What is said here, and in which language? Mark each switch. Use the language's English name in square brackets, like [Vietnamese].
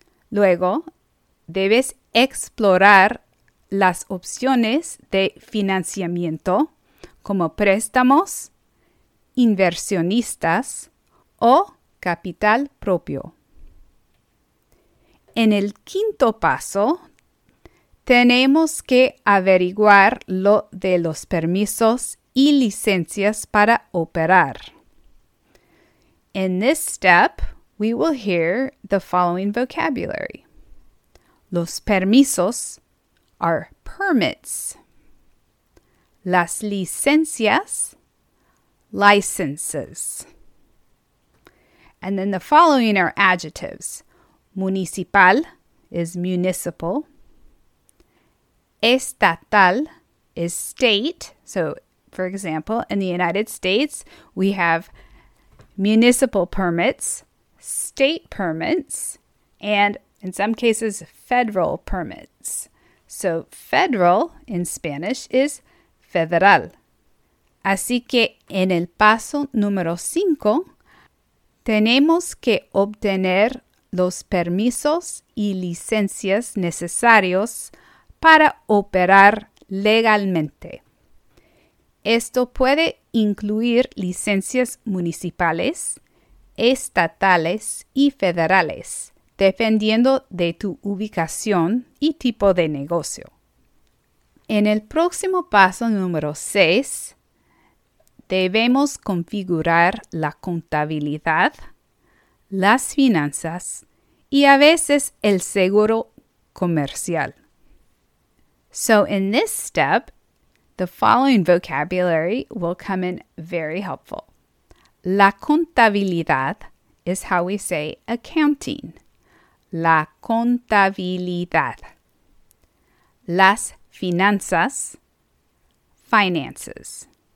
[Spanish] Luego, debes explorar las opciones de financiamiento como préstamos, inversionistas o capital propio. En el quinto paso, tenemos que averiguar lo de los permisos y licencias para operar. [English] In this step, we will hear the following vocabulary. [Spanish] Los permisos [English] are permits. [Spanish] Las licencias, licenses. [English] And then the following are adjectives. Municipal is municipal. Estatal is state. So, for example, in the United States, we have municipal permits, state permits, and in some cases, federal permits. So, federal in Spanish is federal. [Spanish] Así que en el paso número 5, tenemos que obtener los permisos y licencias necesarios para operar legalmente. Esto puede incluir licencias municipales, estatales y federales, dependiendo de tu ubicación y tipo de negocio. En el próximo paso número 6, debemos configurar la contabilidad, las finanzas y a veces el seguro comercial. [English] So in this step, the following vocabulary will come in very helpful. [Spanish] La contabilidad [English] is how we say accounting. [Spanish] La contabilidad. Las finanzas, finances.